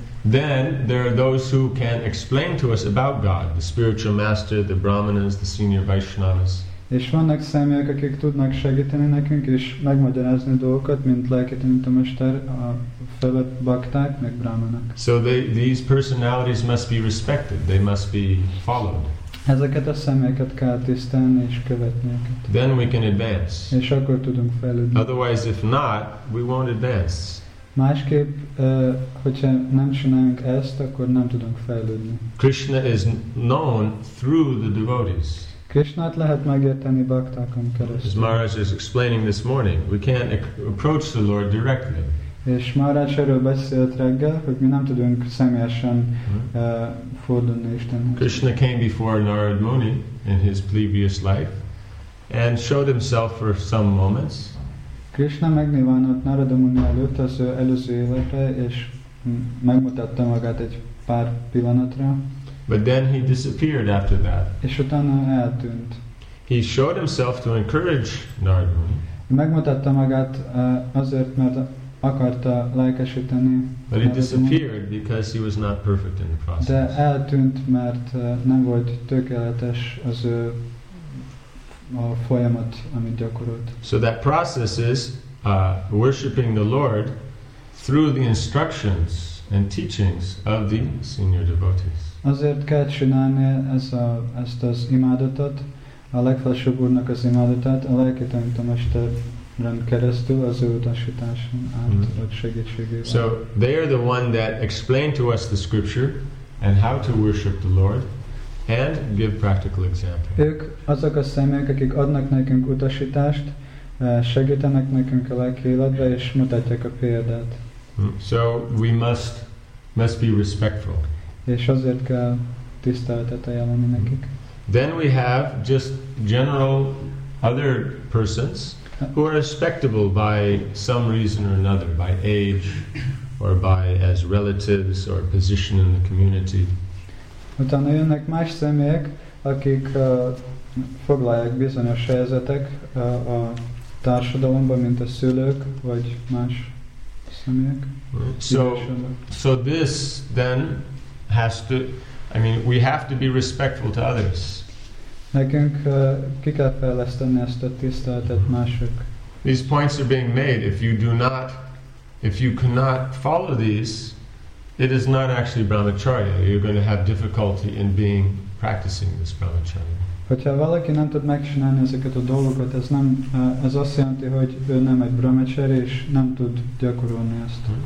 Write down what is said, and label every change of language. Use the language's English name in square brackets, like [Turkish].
[English] Then there are those who can explain to us about God, the spiritual master, the brahmanas, the senior vaishnavas. [Hungarian] És vannak személyek, akik tudnak segíteni nekünk és megmagyarázni dolgokat, mint lelki tanítómester, a fölött bakták, meg brahmanak. [English] So these personalities must be respected, they must be followed. [Hungarian] Ezeket a személyeket kell tisztelni és követni. [English] Then we can advance. [Hungarian] És akkor tudunk fejlődni. [English] Otherwise, if not, we won't advance. [Hungarian] Másképp, hogyha nem csinálunk ezt, akkor nem tudunk fejlődni. [English] Krishna is known through the devotees. [Hungarian] Krishnát lehet megérteni baktákon keresztül. [English] As Maharaj is explaining this morning, we can't approach the Lord directly. [Hungarian] És Maharaj erről beszélt reggel, hogy mi nem tudunk személyesen fordulni Istenhez. [English] Krishna came before Narad Muni in his previous life and showed himself for some moments. [Hungarian] Krishna megnyilvánult Narad Muni előtt az előző életre, és megmutatta magát egy pár pillanatra. [English] But then he disappeared after that. [Hungarian] És utána eltűnt. [English] He showed himself to encourage Narad Muni. [Hungarian] Megmutatta magát azért, mert akarta lelkesíteni. [English] But he disappeared because he was not perfect in the process. [Hungarian] De eltűnt, mert nem volt tökéletes az ő a folyamat, amit gyakorolt. [English] So that process is worshiping the Lord through the instructions and teachings of the senior devotees. [Hungarian] Azért kell csinálni ezt az imádatot, a legfelsőbb úrnak az imádatát, a lelki tanítómester keresztül az ő utasításon át, vagy segítségével. [English] So they are the one that explain to us the scripture and how to worship the Lord and give practical example. [Hungarian] Ők azok a személyek, akik adnak nekünk utasítást, segítenek nekünk a lelki életbe, és mutatják a példát. [English] So we must be respectful. [Hungarian] És azért kell tiszteletet ajánlani nekik. [English] Then we have just general other persons who are respectable by some reason or another, by age, or by as relatives, or position in the community. [Hungarian] Utána jönnek más személyek, akik foglalják bizonyos helyzetek a társadalomban, mint a szülők, vagy más személyek. [English] So this then we have to be respectful to others. [Hungarian] Nekünk ki kell fejleszteni ezt a tiszteletet mások. [English] These points are being made. If you cannot follow these, it is not actually brahmacharya. You're going to have difficulty in being practicing this brahmacharya. [Hungarian] Hogyha valaki nem tud megcsinálni ezeket a dolgokat, ez azt jelenti, hogy ő nem egy brahmacharya, és nem tud gyakorolni ezt.